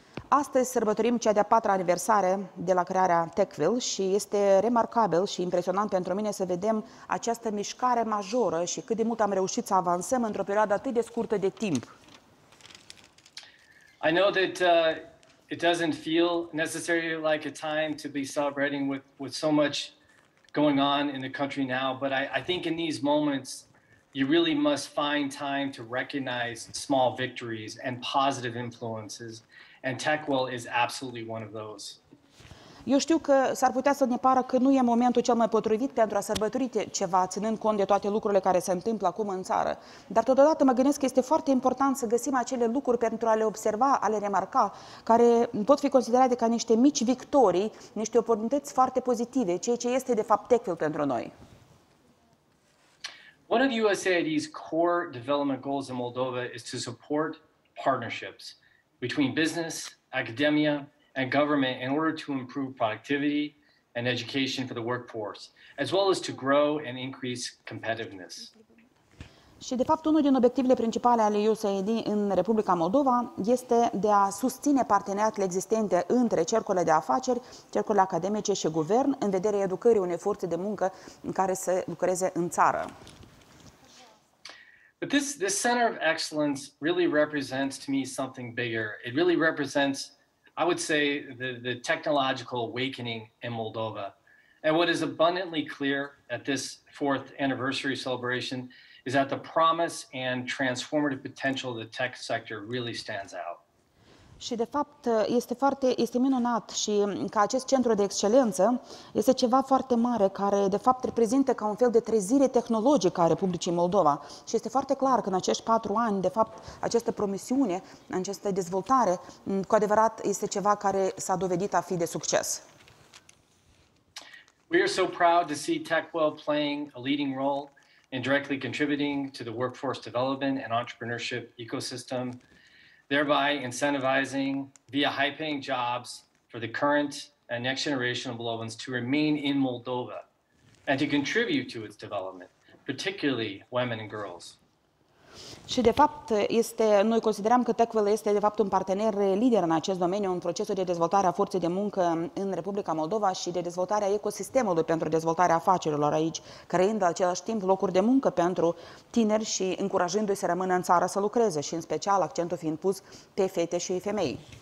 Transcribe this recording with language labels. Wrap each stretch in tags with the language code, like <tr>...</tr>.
<ro>Astăzi sărbătorim cea de-a 4-a aniversare de la crearea TechWell și este remarcabil și impresionant pentru mine să vedem această mișcare majoră și cât de mult am reușit să avansăm într-o perioadă atât de scurtă de timp.</ro> <en>I know that it doesn't feel necessarily like a time to be celebrating with so much going on in the country now, but I think in these moments, you really must find time to recognize small victories and positive influences, and TechWell is absolutely one of those.</en> <ro>Eu știu că s-ar putea să ne pară că nu e momentul cel mai potrivit pentru a sărbători ceva, ținând cont de toate lucrurile care se întâmplă acum în țară. Dar totodată mă gândesc că este foarte important să găsim acele lucruri pentru a le observa, a le remarca, care pot fi considerate ca niște mici victorii, niște oportunități foarte pozitive, ceea ce este de fapt TechWell pentru noi.</ro> <en>One of USAID's core development goals in Moldova is to support partnerships between business, academia, and government in order to improve productivity and education for the workforce, as well as to grow and increase competitiveness.</en> <ro>Și de fapt unul din obiectivele principale ale USAID în Republica Moldova este de a susține parteneriatele existente între cercurile de afaceri, cercurile academice și guvern în vederea educării unei forțe de muncă care să lucreze în țară.</ro> <en>But this center of excellence really represents to me something bigger. It really represents, I would say, the technological awakening in Moldova. And what is abundantly clear at this fourth anniversary celebration is that the promise and transformative potential of the tech sector really stands out.</en> <ro>Și de fapt este minunat și că acest centru de excelență este ceva foarte mare care de fapt reprezintă ca un fel de trezire tehnologică a Republicii Moldova. Și este foarte clar că în acești 4 ani, de fapt, această promisiune, această dezvoltare, cu adevărat este ceva care s-a dovedit a fi de succes.</ro> <en>We are so proud to see TechWell playing a leading role in directly contributing to the workforce development and entrepreneurship ecosystem, thereby incentivizing via high-paying jobs for the current and next generation of Moldovans to remain in Moldova and to contribute to its development, particularly women and girls.</en> <ro>Și de fapt noi considerăm că TechWell este de fapt un partener lider în acest domeniu, în procesul de dezvoltare a forței de muncă în Republica Moldova și de dezvoltare a ecosistemului pentru dezvoltarea afacerilor aici, creând același timp locuri de muncă pentru tineri și încurajându-i să rămână în țară să lucreze, și în special accentul fiind pus pe fete și femei.</ro>